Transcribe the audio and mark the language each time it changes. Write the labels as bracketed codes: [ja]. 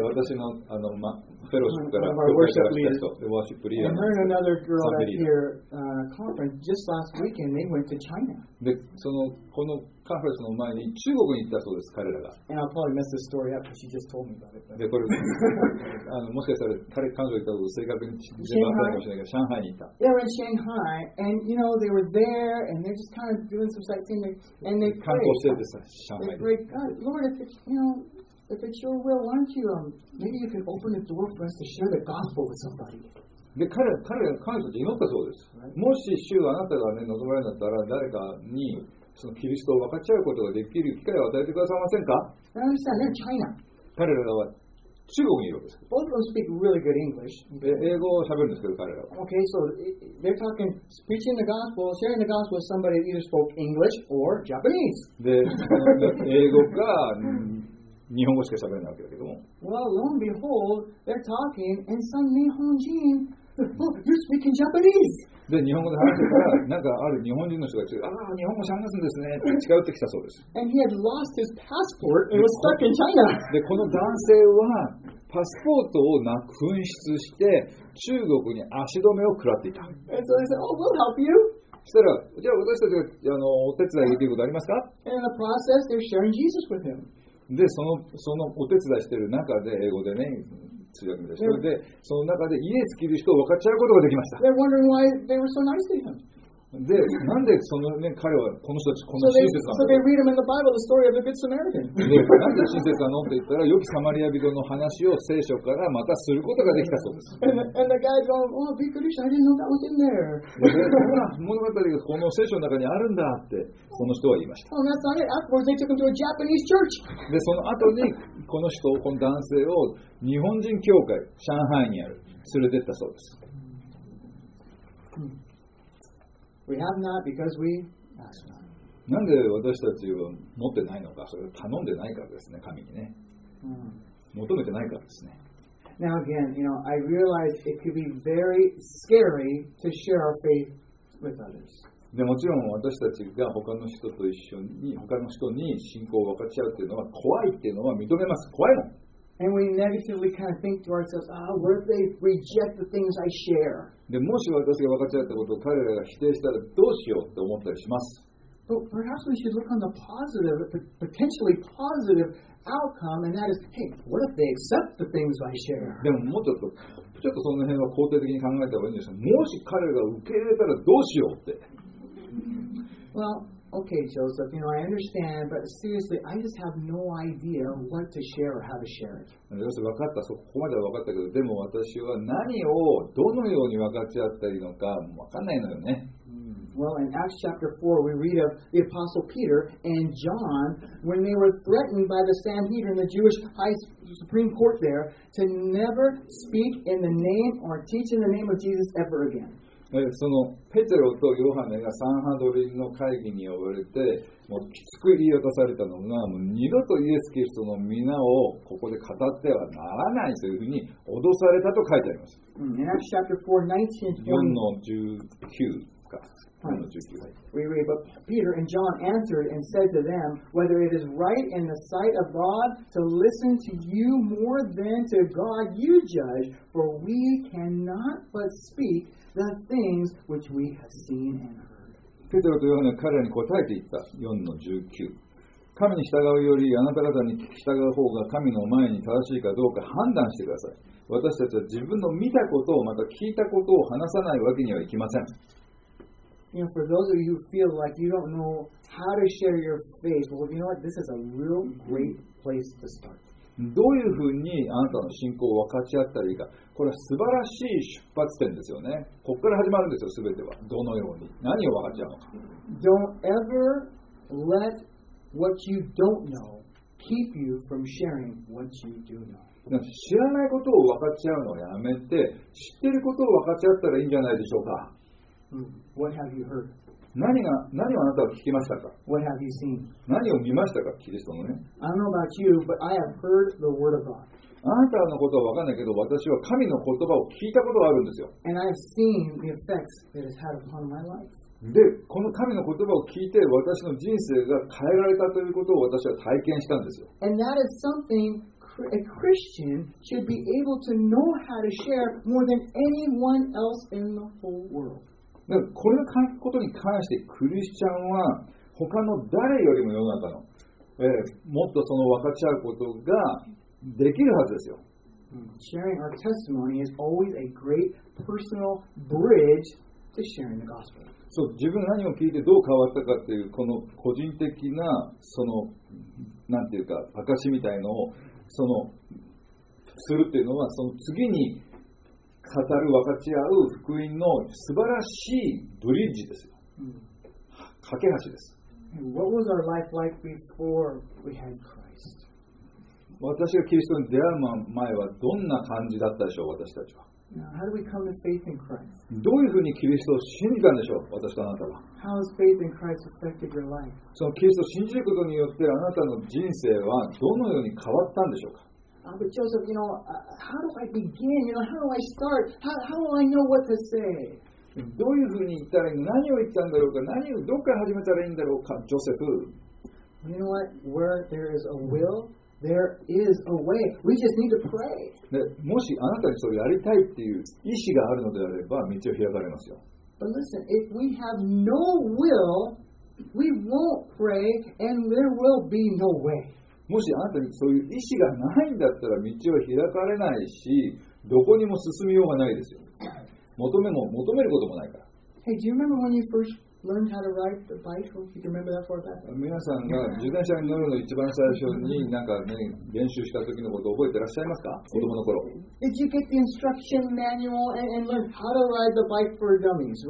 [ja] 私の、あの、ま、フェローシップから、フェローシップから来た人、ワーシップリーダー。 [en] And there's another girl that's here, conference just last weekend, they went to China. [ja] で、その、このカンファレンスの前に中国に行ったそうです、彼らが。 [en] And I'll probably mess this story up because she just told me about it. [ja] で、これ、あの、もしかしたら彼、彼女が行ったこと正確に知らないかもしれないけど、上海に行った。 [en] They were in Shanghai, and you know, they were there, and they're just kind of doing some sightseeing, and they prayed. [ja] 観光してるんです、上海で。 [en] They prayed, God, Lord, if it's, you know,If it's your will, why don't you, maybe you can open the door for us to share the gospel with somebody. [ja] で、彼は彼女で祈ったそうです。 [en] Right? [ja] もし主はあなたがね、望まれるんだったら、誰かにそのキリストを分かち合うことができる機会を与えてくださいませんか? [en] I understand, they're China. [ja] 彼らは中国にいるんです。 [en] Both of them speak really good English. [ja] 英語を喋るんですけど、彼らは。 [en] Okay, so they're talking, preaching the gospel, sharing the gospel with somebody that either spoke English or Japanese. [ja] で、英語が、日本語しか喋れないわけだけども。 [en] Well, lo and behold, they're talking, and some Nihonjin, you're speaking Japanese! [ja] で、日本語で話してたら、なんかある日本人の人が来て、ああ、日本語しゃべらすんですね、って近寄ってきたそうです。 [en] And he had lost his passport and was stuck in China! [ja] で、この男性は、パスポートをなく紛失して、中国に足止めを食らっていた。 [en] And so they said, oh, we'll help you! [ja] したら、じゃあ私たちがあのお手伝いできることありますか? [en] And in the process, they're sharing Jesus with him. [ja] でそのお手伝いしている中で英語でね通訳みたいな人でその中でイエス・キリストを分かっちゃうことができました。 [en] They're wondering why they were so nice to him. [ja] でなんでそのね彼はこの人たちこんな親切なの。 [en] So they read him in the Bible the story of the Good Samaritan. [ja] でなんで親切なのって言ったら良きサマリア人の話を聖書からまたすることができたそうです。 [en] And the guy's going, oh, [ja] びっくりした。 [en] I didn't know that was in there. [ja] で物語がこの聖書の中にあるんだって。この人は言いました。 [en] Oh, that's not it. Afterwards, they took him to a Japanese church. [ja] で、その後に、この人、この男性を日本人教会、上海にある、連れてったそうです。 [en] We have not because we ask not. [ja] なんで私たちは持ってないのか、それを頼んでないからですね、神にね。求めてないからですね。 [en] Now again, you know, I realize it could be very scary to share our faith with others. [ja] でもちろん私たちが他の人と一緒に他の人に信仰を分かち合うっていうのは怖いっていうのは認めます怖いもん。 [en] And we negatively kind of think to ourselves, ah, what if they reject the things I share? [ja] でもし私が分かっちゃったことを彼らが否定したらどうしようと思ったりします。 [en] But perhaps we should look on the positive, potentially positive outcome, and that is, hey, what if they accept the things I share? [ja] でももうちょっと、ちょっとその辺は肯定的に考えた方がいいんですよ。もし彼らが受け入れたらどうしようって。 [en] Well,Okay, Joseph, you know, I understand, but seriously, I just have no idea what to share or how to share it. [ja] Joseph, 分かった、そこまでは分かったけど、でも私は何をどのように分かち合ったりのか分かんないのよね。 [en] Well, in Acts chapter 4, we read of the Apostle Peter and John when they were threatened by the Sanhedrin, the Jewish High Supreme Court there, to never speak in the name or teach in the name of Jesus ever again. [ja] そのペテロとヨハネがサンハドリンの会議に呼ばれてもうきつく言い渡されたのがもう二度とイエス・キリストの皆をここで語ってはならないというふうに脅されたと書いてあります。 [en] Acts chapter 4, 19 to 20. 4-19 We read, but Peter and John answered and said to them, whether it is right in the sight of God to listen to you more than to God you judge, for we cannot but speakThe things which we have seen and heard. [ja] ペテロとヨハネは彼らに答えていった。 4-19。神に従うよりあなた方に従う方が神の前に正しいかどうか判断してください。私たちは自分の見たことをまた聞いたことを話さないわけにはいきません。 [en] You know, for those of you who feel like you don't know how to share your faith, well, you know what? This is a real great place to start. [ja] どういうふうにあなたの信仰を分かち合ったらいいか、これは素晴らしい出発点ですよね。ここから始まるんですよ、すべては。どのように、何を分かち合うのか。 [en] Don't ever let what you don't know keep you from sharing what you do know. [ja] 知らないことを分かち合うのをやめて、知っていることを分かち合ったらいいんじゃないでしょうか。 [en] What have you heard? [ja] 何をあなたは聞きましたか [en] What have you seen? [ja] 何を見ましたかキリストのね。 [en] I don't know about you, but I have heard the word of God. [ja] あなたのことは分かんないけど、私は神の言葉を聞いたことがあるんですよ。 [en] And I have seen the effects that has had upon my life. [ja] で、この神の言葉を聞いて、私の人生が変えられたということを私は体験したんですよ。 [en] And that is something a Christian should be able to know how to share more than anyone else in the whole world. [ja] これを書くことに関してクリスチャンは他の誰よりも世の中の、もっとその分かち合うことができるはずですよ。 [en] Sharing our testimony is always a great personal bridge to sharing the gospel. [ja] そう、自分が何を聞いてどう変わったかっていうこの個人的なそのなんていうか証みたいのをそのするっていうのはその次に。語る分かち合う福音の素晴らしいブリッジですよ。架け橋です。 [en] What was our life like before we had Christ? [ja] 私がキリストに出会う前はどんな感じだったでしょう、私たちは。 [en] Now, how do we come to faith in Christ? [ja] どういうふうにキリストを信じたんでしょう、私とあなたは。 [en] How has faith in Christ affected your life? [ja] そのキリストを信じることによってあなたの人生はどのように変わったんでしょうか。 [en] But Joseph, you know, how do I begin? You know, how do I start? How will I know what to say? [ja] どういうふうに言ったら、何を言ったんだろうか、何をどこから始めたらいいんだろうか、ジョセフ。 [en] You know what? Where there is a will, there is a way. We just need to pray. [ja] もしあなたにそれをやりたいっていう意思があるのであれば、道は開かれますよ。 [en] But listen, if we have no will, we won't pray, and there will be no way. [ja] もしあなたにそういう意志がないんだったら道は開かれないし、どこにも進みようがないですよ。求めることもないから。 [en] Hey, do you remember when you first learned how to ride the bike? Do you remember that far back? [ja] 皆さんが自転車に乗るの一番最初になんかね、練習した時のことを覚えてらっしゃいますか子供の頃。 [en] Did you get the instruction manual and learn how to ride the bike for dummies?